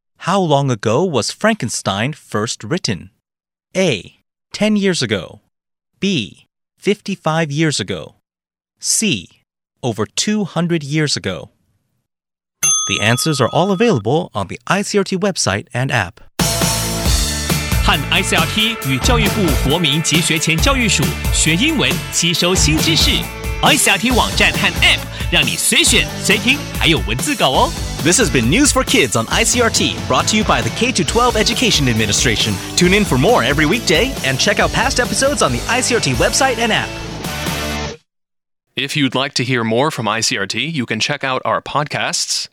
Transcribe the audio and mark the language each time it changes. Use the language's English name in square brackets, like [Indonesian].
[English] How long ago was Frankenstein first written? A. 10 years ago. B. 55 years ago. C. Over 200 years ago. The answers are all available on the ICRT website and app. [Chinese] 和 ICRT 与教育部国民及学前教育署学英文，吸收新知识。 iSiaT 网站和 App， 让你随选随听，还有文字稿哦。 [English] This has been News for Kids on iCRT, brought to you by the K-12 Education Administration. Tune in for more every weekday and check out past episodes on the iCRT website and app. If you'd like to hear more from iCRT, you can check out our podcasts.